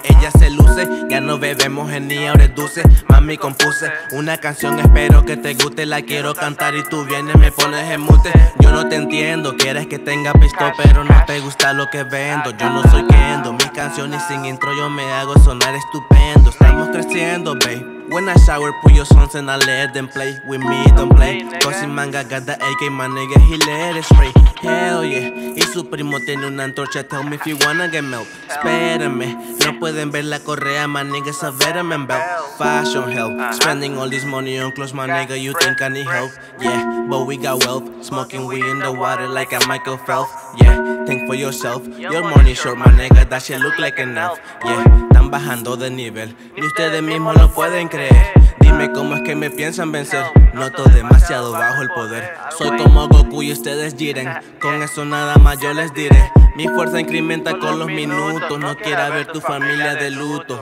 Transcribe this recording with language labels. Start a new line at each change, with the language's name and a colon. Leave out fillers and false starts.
Spanish: Ella se luce, ya no bebemos en ni ahora es dulce. Mami, compuse una canción, espero que te guste. La quiero cantar y tú vienes, me pones en mute. Yo no te entiendo, quieres que tenga pisto, pero no te gusta lo que vendo. Yo no soy Kendo, mis canciones sin intro yo me hago sonar estupendo. Estamos creciendo, babe.
English: When I shower, put your songs and I let them play. With me, don't play. Cause in manga, got the AK, my nigga, he let it spray. Hell yeah.
Spanish: Y su primo tiene una antorcha,
English: tell me if you wanna get milk.
Spanish: Espérenme, no pueden ver la correa,
English: my nigga, it's a veteran belt. Fashion help, spending all this money on clothes, my nigga, you think I need help. Yeah, but we got wealth, smoking weed in the water like a Michael Phelps. Yeah, think for yourself, your money short, my nigga, that shit look like an elf.
Spanish: Yeah, están bajando de nivel, ni ustedes mismos lo pueden creer. Dime cómo es que me piensan vencer. Noto demasiado bajo el poder. Soy como Goku y ustedes Jiren. Con eso nada más yo les diré. Mi fuerza incrementa con los minutos. No quiera ver tu familia de luto.